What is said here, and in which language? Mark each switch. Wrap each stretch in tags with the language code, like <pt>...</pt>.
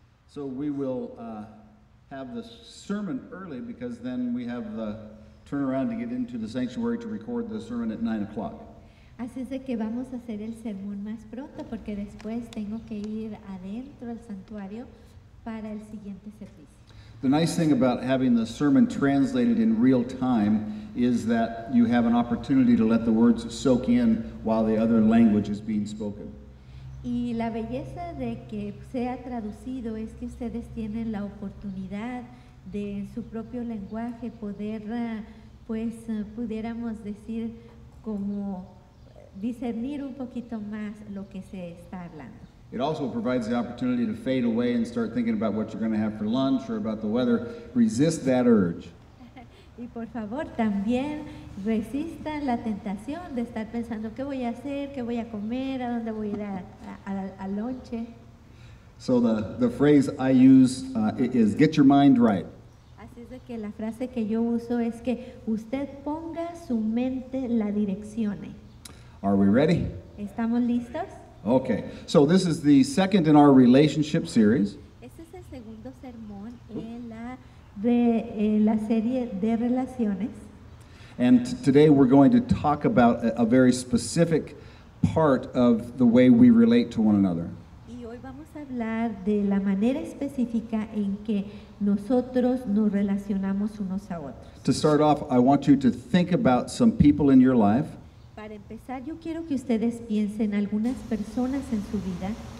<en>So we will have the sermon early because then we have the turnaround to get into the sanctuary to record the sermon at 9 o'clock.</en> <es>Así es de que vamos a hacer el sermón más pronto porque después tengo que ir adentro al santuario para el siguiente servicio.</es> <en>The nice thing about having the sermon translated in real time is that you have an opportunity to let the words soak in while the other language is being spoken.</en> <es>Y la belleza de que sea traducido es que ustedes tienen la oportunidad de en su propio lenguaje poder, pues, pudiéramos decir, como discernir un poquito más lo que se está hablando.</es> <en>It also provides the opportunity to fade away and start thinking about what you're going to have for lunch or about the weather. Resist that urge.</en> <es>Y por favor, también resistan la tentación de estar pensando qué voy a hacer, qué voy a comer, a dónde voy a ir a lonche.</es> <en>So the phrase I use is get your mind right.</en> <es>Así es de que la frase que yo uso es que usted ponga su mente la direccione.</es> <en>Are we ready?</en> <es>¿Estamos listos?</es> <en>Okay. So this is the second in our relationship series.</en> <es>Este es el segundo sermón en la la serie de relaciones.</es> <en>And today we're going to talk about a very specific part of the way we relate to one another.</en> <es>Y hoy vamos a hablar de la manera específica en que nosotros nos relacionamos unos a otros.</es> <en>To start off, I want you to think about some people in your life.</en> <es>Para empezar, yo quiero que ustedes piensen algunas personas en su vida.</es>